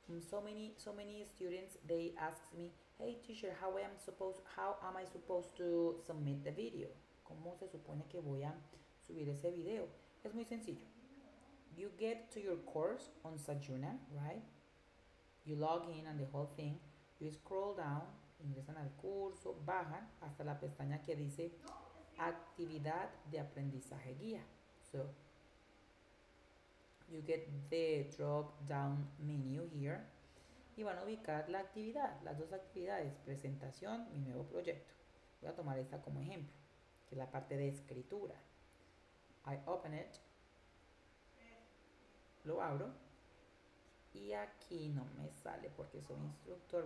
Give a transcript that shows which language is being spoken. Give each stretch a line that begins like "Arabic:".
English: So many students, they ask me, hey teacher, how am I supposed to submit the video?
Spanish: ¿Cómo se supone que voy a subir ese video? Es muy sencillo.
English: You get to your course on Sajuna, right? You log in and the whole thing. You scroll down,
Spanish: ingresan al curso, bajan hasta la pestaña que dice actividad de aprendizaje guía.
English: So, you get the drop down menu here.
Spanish: Y van a ubicar la actividad, las dos actividades, presentación, mi nuevo proyecto. Voy a tomar esta como ejemplo, que es la parte de escritura.
English: I open it.
Spanish: Lo abro. Y aquí no me sale porque soy instructor.